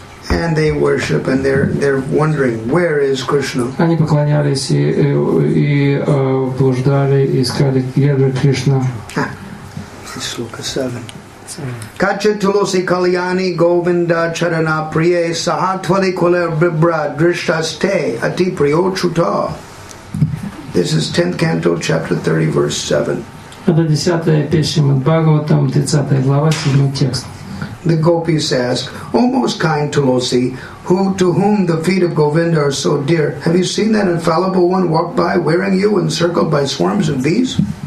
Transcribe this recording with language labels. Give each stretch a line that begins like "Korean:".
English: And they worship, and they're wondering, where is Krishna?
Russian: Они поклонялись и блуждали, искали, где Кришна.
Sanskrit: Shloka 7. Kacha tulosi kalyani govinda charana priye sahatvali kule vibra drishtaste ati priyochuta.
English: This is 10th canto, chapter 30, verse 7.
Russian: Это 10-я песня Шримад Бхагаватам, 30-я глава, 7-й текст.
English: The gopis ask, O most kind Tulosi, who to whom the feet of Govinda are so dear, have you seen that infallible one walk by wearing you encircled by swarms of bees?